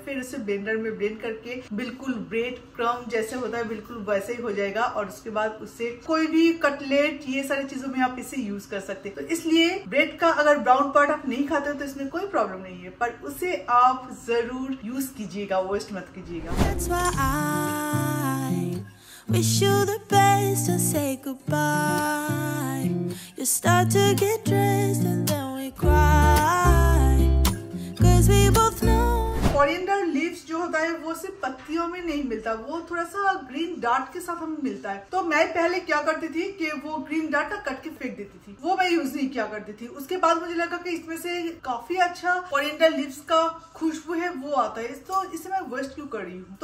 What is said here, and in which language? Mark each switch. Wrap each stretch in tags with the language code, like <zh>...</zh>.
<hi>फिर उसे ब्लेंडर में ब्लेंड करके बिल्कुल ब्रेड क्रम जैसे होता है बिल्कुल वैसे ही हो जाएगा। और उसके बाद उसे कोई भी कटलेट ये सारी चीजों में आप इसे यूज कर सकते हैं। तो इसलिए ब्रेड का अगर ब्राउन पार्ट आप नहीं खाते हो तो इसमें कोई प्रॉब्लम नहीं है, पर उसे आप जरूर यूज कीजिएगा, वेस्ट मत कीजिएगा।</hi> <en>That's why I wish you the best to say goodbye. You start to get dressed and then we cry. Cause we both know.</en> <hi>ओरिएंडर leaves जो होता है वो सिर्फ पत्तियों में नहीं मिलता, वो थोड़ा सा ग्रीन डार्ट के साथ हमें मिलता है। तो मैं पहले क्या करती थी कि वो ग्रीन डार्ट का कट के फेंक देती थी, वो मैं यूज नहीं किया करती थी। उसके बाद मुझे लगा कि इसमें से काफी अच्छा ओरिएंडर लीव्स का खुशबू है वो आता है, तो इसे मैं वेस्ट क्यों कर रही हूँ।</hi>